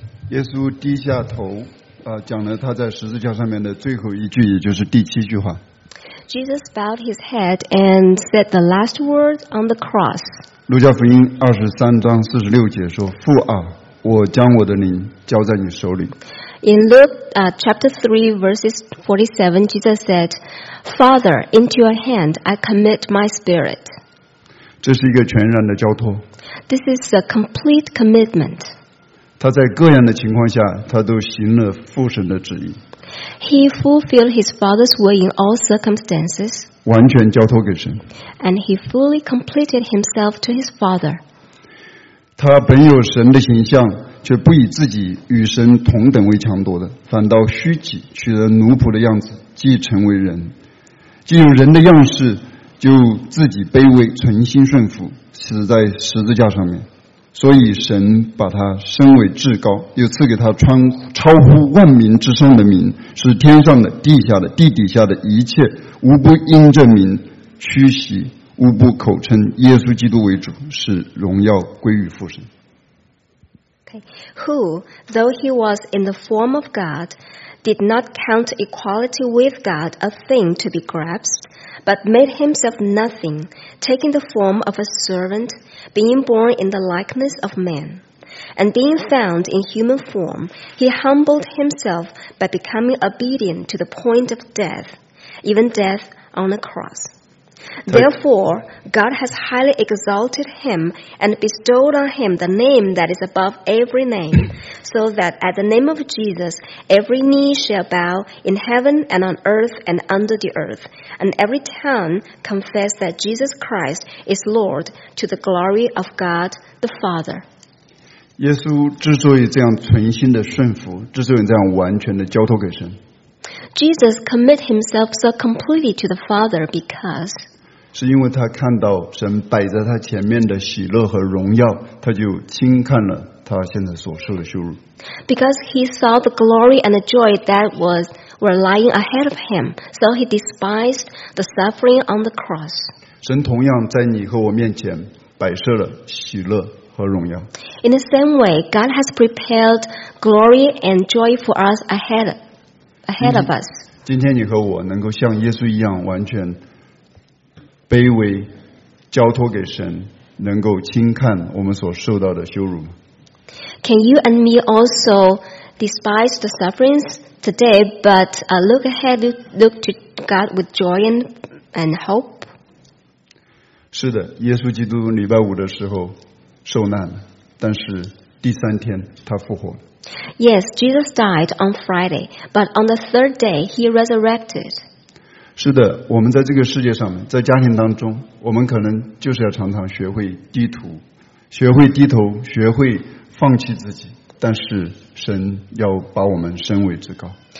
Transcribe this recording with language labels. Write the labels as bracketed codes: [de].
[zh] 耶稣低下头，讲了他在十字架上面的最后一句，也就是第七句话。 [en] Jesus bowed his head and said the last words on the cross. [zh] 路加福音二十三章四十六节说：“父啊，我将我的灵交在你手里。” [en] In Luke chapter 3 verses 47, Jesus said, "Father, into your hand I commit my spirit." [zh] 这是一个全然的交托。 [en] This is a complete commitment. [zh] 他在各样的情况下，他都行了父神的旨意。 [en] He fulfilled his father's will in all circumstances. [zh] 完全交托给神。 [en] And he fully completed himself to his father. [zh] 他本有神的形象，却不以自己与神同等为强夺的，反倒虚己，取了奴仆的样子，既成为人，既有人的样式，就自己卑微，存心顺服，死在十字架上面。所以神把他升为至高，又赐给他超乎万民之上的名，是天上的、地下的、地底下的一切无不因这名屈膝，无不口称耶稣基督为主，是荣耀归于父神。 [en] Okay. Who, though he was in the form of God, did not count equality with God a thing to be grasped, but made himself nothing, taking the form of a servant. Being born in the likeness of man, and being found in human form, he humbled himself by becoming obedient to the point of death, even death on a cross. Therefore, God has highly exalted him and bestowed on him the name that is above every name, so that at the name of Jesus, every knee shall bow in heaven and on earth and under the earth, and every tongue confess that Jesus Christ is Lord to the glory of God the Father. [zh] 耶稣之所以这样存心的顺服，之所以这样完全的交托给神， [en] Jesus commit himself so completely to the Father because [zh] 是因为他看到神摆在他前面的喜乐和荣耀，他就轻看了他现在所受的羞辱。 [en] Because he saw the glory and the joy that were lying ahead of him, so he despised the suffering on the cross. [zh] 神同样在你和我面前摆设了喜乐和荣耀。 [en] In the same way, God has prepared glory and joy for us ahead of us. [zh] 今天你和我能够像耶稣一样完全卑微交托给神，能够轻看我们所受到的羞辱。 [en] Can you and me also despise the sufferings today, but look ahead, look to God with joy and hope. [zh] 是的，耶稣基督礼拜五的时候受难了，但是第三天他复活了。 [en] Yes, Jesus died on Friday, but on the third day he resurrected. [zh] 是的，我们在这个世界上，在家庭当中，我们可能就是要常常学会低头，学会低头，学会放弃自己，但是神要把我们升为至高。